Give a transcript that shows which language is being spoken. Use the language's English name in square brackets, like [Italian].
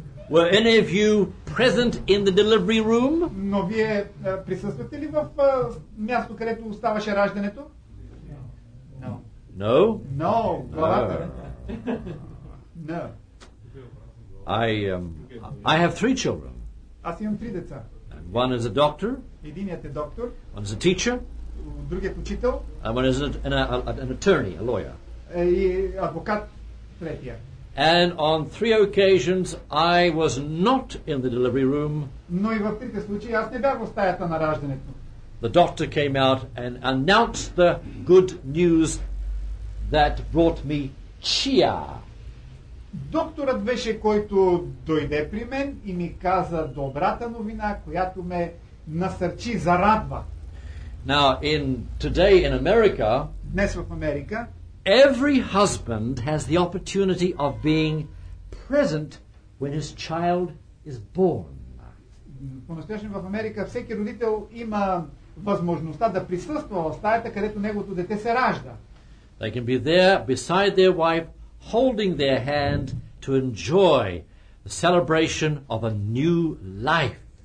[English] Were any of you present in the delivery room? [Bulgarian] Но вие присъствате ли в място, където оставаше раждането? [English] No. No. No. No. No. I have three children. [Bulgarian] Аз имам три деца. [English] And one is a doctor. [Bulgarian] Единият е доктор. [English] One is a teacher. [Bulgarian] Другият учител. [English] And one is an attorney, a lawyer. [Bulgarian] И адвокат третия. [English] And on three occasions I was not in the delivery room. [Bulgarian] Но и в трите случаи аз не бях в стаята на раждането. [English] The doctor came out and announced the good news that brought me cheer. [Bulgarian] Докторът беше, който дойде при мен и ми каза добрата новина, която ме насърчи, зарадва. [English] Now in today in America, [Bulgarian] днес в Америка, [English] every husband has the opportunity of being present when his child is born. [Bulgarian] По-настоящем в Америка всеки родител има възможността да присъства в стаята, където неговото дете се ражда. [English] They can be there beside their wife, holding their hand to enjoy the celebration of a new life.